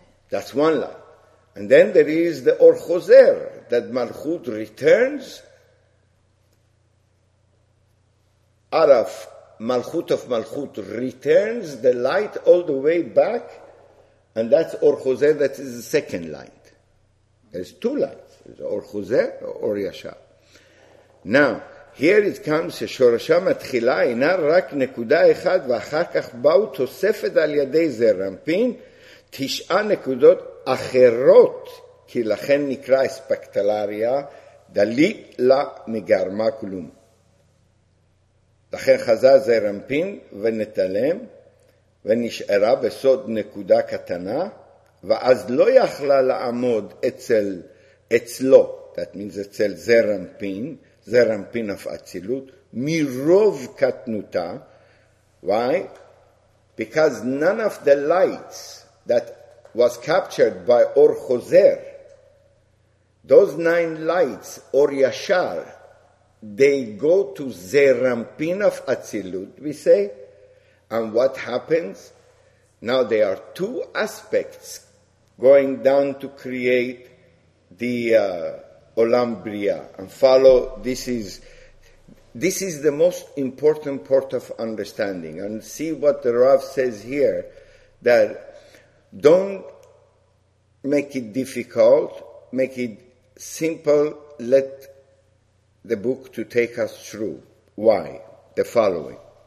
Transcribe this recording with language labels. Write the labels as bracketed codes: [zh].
[en] That's one light. And then there is the Or Chozer, that Malchut returns out of Malchut returns the light all the way back, and that's Or Chozer, that is the second light. There's two lights, there's Or Chozer or Or Yashar. Now, here it comes, [he] ששורשה מתחילה אינה רק נקודה אחת, ואחר כך באו תוספת על ידי זה רמפין, תשעה נקודות אחרות, כי לכן נקרא אספקטלריה, דלית לה מגרמה כלום. לכן חזה זה רמפין ונתלם, ונשארה בסוד נקודה קטנה, ואז לא יכלה לעמוד אצלו, [en] that means [he] אצל זה רמפין, Zerampin of Atzilut, Mirov Katnuta. [en] Why? Because none of the lights that was captured by Or Chozer, those nine lights, Or Yashar, they go to Zerampin of Atzilut, we say. And what happens? Now there are two aspects going down to create the Olam Bria, and follow, this is the most important part of understanding, and see what the Rav says here, that don't make it difficult, make it simple, let the book to take us through. Why? The following.